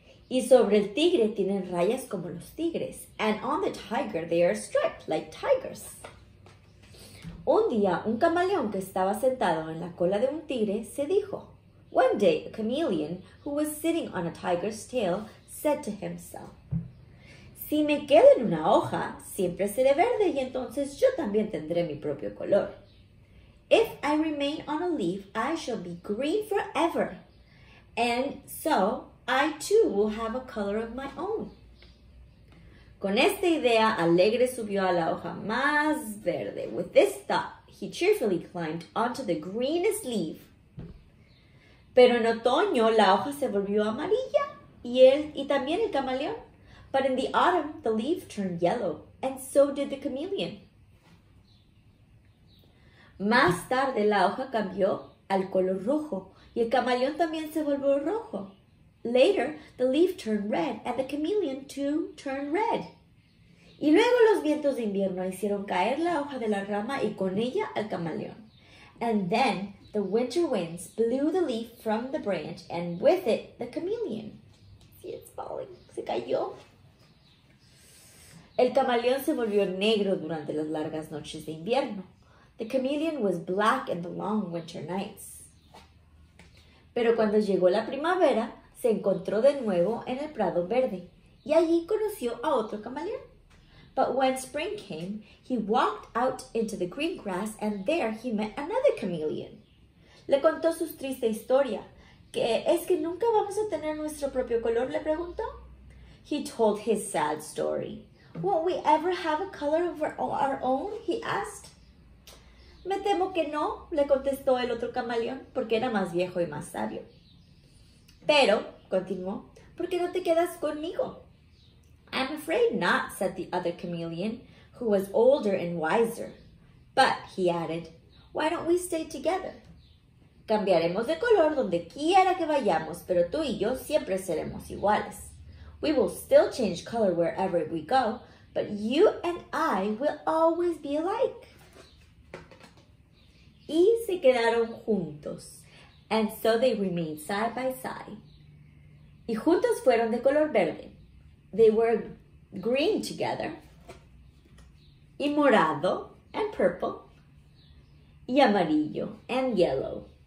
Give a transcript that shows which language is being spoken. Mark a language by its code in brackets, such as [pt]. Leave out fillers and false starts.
[es] Y sobre el tigre tienen rayas como los tigres. [en] And on the tiger, they are striped like tigers. [es] Un día, un camaleón que estaba sentado en la cola de un tigre se dijo. [en] One day, a chameleon who was sitting on a tiger's tail said to himself, [es] si me quedo en una hoja, siempre seré verde y entonces yo también tendré mi propio color. [en] If I remain on a leaf, I shall be green forever. And so, I too will have a color of my own. [es] Con esta idea, Alegre subió a la hoja más verde. [en] With this thought, he cheerfully climbed onto the greenest leaf. [es] Pero en otoño la hoja se volvió amarilla y también el camaleón. [en] But in the autumn, the leaf turned yellow, and so did the chameleon. [es] Más tarde la hoja cambió al color rojo y el camaleón también se volvió rojo. [en] Later, the leaf turned red and the chameleon too turned red. [es] Y luego los vientos de invierno hicieron caer la hoja de la rama y con ella al camaleón. [en] And then the winter winds blew the leaf from the branch and with it the chameleon. See, it's falling. [es] Se cayó. El camaleón se volvió negro durante las largas noches de invierno. [en] The chameleon was black in the long winter nights. [es] Pero cuando llegó la primavera, se encontró de nuevo en el prado verde y allí conoció a otro camaleón. [en] But when spring came, he walked out into the green grass and there he met another chameleon. [es] Le contó su triste historia. ¿Qué es que nunca vamos a tener nuestro propio color? Le preguntó. [en] He told his sad story. Won't we ever have a color of our own? He asked. [es] Me temo que no, le contestó el otro camaleón, porque era más viejo y más sabio. Pero, continuó, ¿por qué no te quedas conmigo? [en] I'm afraid not, said the other chameleon, who was older and wiser. But, he added, why don't we stay together? [es] Cambiaremos de color donde quiera que vayamos, pero tú y yo siempre seremos iguales. [en] We will still change color wherever we go, but you and I will always be alike. [es] Y se quedaron juntos. [en] And so they remained side by side. [es] Y juntos fueron de color verde. [en] They were green together. [es] Y morado. [en] And purple. [es] Y amarillo. [en] And yellow.